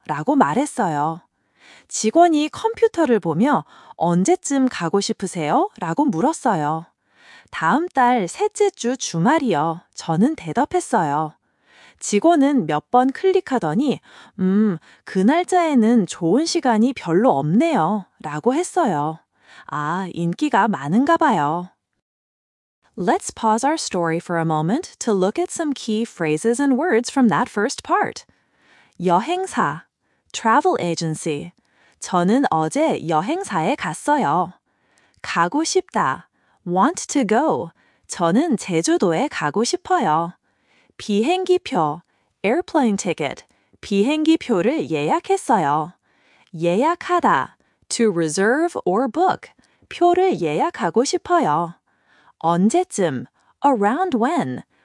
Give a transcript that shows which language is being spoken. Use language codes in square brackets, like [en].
[ko] 라고 말했어요. 직원이 컴퓨터를 보며 언제쯤 가고 싶으세요? 라고 물었어요. 다음 달 셋째 주 주말이요. 저는 대답했어요. 직원은 몇 번 클릭하더니, 그 날짜에는 좋은 시간이 별로 없네요. 라고 했어요. 아, 인기가 많은가 봐요. [en] Let's pause our story for a moment to look at some key phrases and words from that first part. 여행사, travel agency. [ko] 저는 어제 여행사에 갔어요. [en] 가고 싶다, want to go. [ko] 저는 제주도에 가고 싶어요. [en] 비행기표, airplane ticket. [ko] 비행기표를 예약했어요. [en] 예약하다, to reserve or book. [ko] 표를 예약하고 싶어요. [en] 언제쯤, around when.